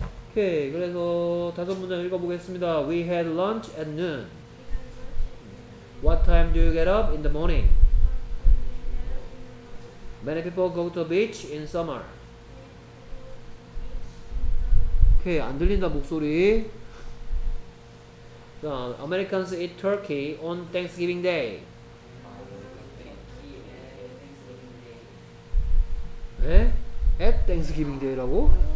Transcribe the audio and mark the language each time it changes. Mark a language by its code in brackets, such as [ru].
[ko] 오케이, 그래서 다섯 문장 읽어보겠습니다. [en] We had lunch at noon. What time do you get up in the morning? Many people go to the beach in summer. [ko] 오케이, 안 들린다 목소리. [en] Americans eat turkey on Thanksgiving Day. 네? At Thanksgiving Day라고?